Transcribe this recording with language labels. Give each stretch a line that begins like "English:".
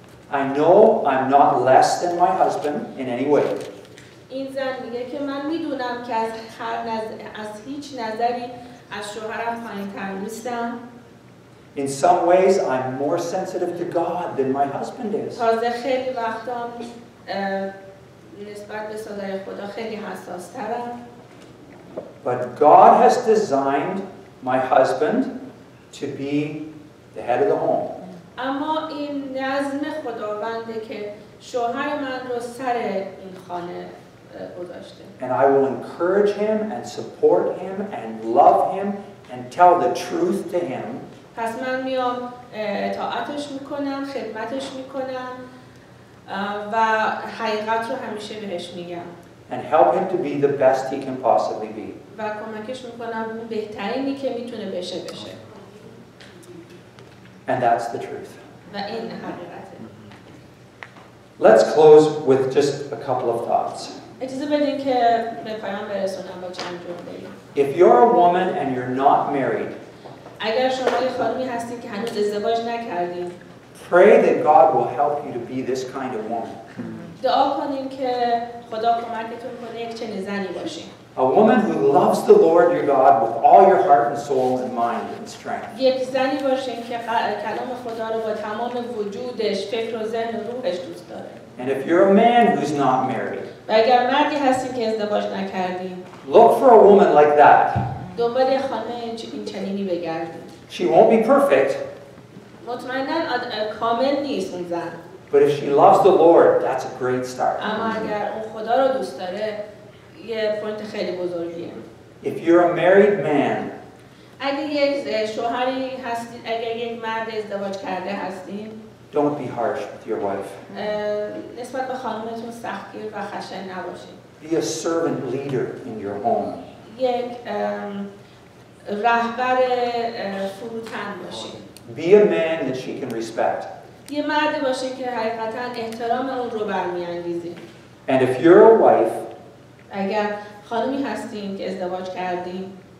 English: I know I'm not less than my husband in any way.
Persian: این زن میگه که من میدونم که از هر از هیچ نظری از شوهرم پایین‌تر نیستم.
English: In some ways, I'm more sensitive to God than my husband is.
Persian: تازه خیلی وقتام نسبت به صدای خدا خیلی حساس‌ترم.
English: But God has designed my husband to be the head of the home.
Persian: اما این نظم خداونده که شوهر من رو سر این خانه
English: And I will encourage him and support him and love him and tell the truth to him.
Persian: پس من میام اطاعتش میکنم، خدمتش میکنم و حقیقت رو همیشه بهش میگم.
English: And help him to be the best he can possibly be.
Persian: و کمکش میکنم اون بهترینی که میتونه بشه بشه.
English: And that's the truth.
Persian: و این حقیقته.
English: Let's close with just a couple of thoughts.
Persian: اجازه بدین که به پایان برسونم با چند جمله.
English: If you're a woman and you're not married,
Persian: اگر شما یه خانمی هستید که هنوز ازدواج نکردید,
English: pray that God will help you to be this kind of woman.
Persian: دعا کنین که خدا کمکتون کنه یک چنین زنی باشین.
English: A woman who loves the Lord your God with all your heart and soul and mind and strength.
Persian: یک زنی باشین که کلام خدا رو با تمام وجودش، فکر و ذهن و روحش دوست داره.
English: And if you're a man who's not married,
Persian: و اگر مردی هستی که ازدواج نکردی,
English: look for a woman like that.
Persian: دنبال یه خانم این چنینی بگردی.
English: She won't be perfect.
Persian: مطمئناً کامل نیست اون زن.
English: But if she loves the Lord, that's a great start.
Persian: اما اگر اون خدا رو دوست داره, یه پوینت خیلی بزرگیه.
English: If you're a married man,
Persian: اگر یک شوهری هستی, اگر یک مرد ازدواج کرده هستی,
English: Don't be harsh with your wife.
Persian: نسبت به خانمتون سختگیر و خشن نباشید.
English: Be a servant leader in your home.
Persian: یک رهبر فروتن باشید.
English: Be a man that she can respect.
Persian: یه مردی باشید که حقیقتاً احترام اون رو برمی‌انگیزید.
English: And if you're a wife,
Persian: اگر خانمی هستین که ازدواج کردین,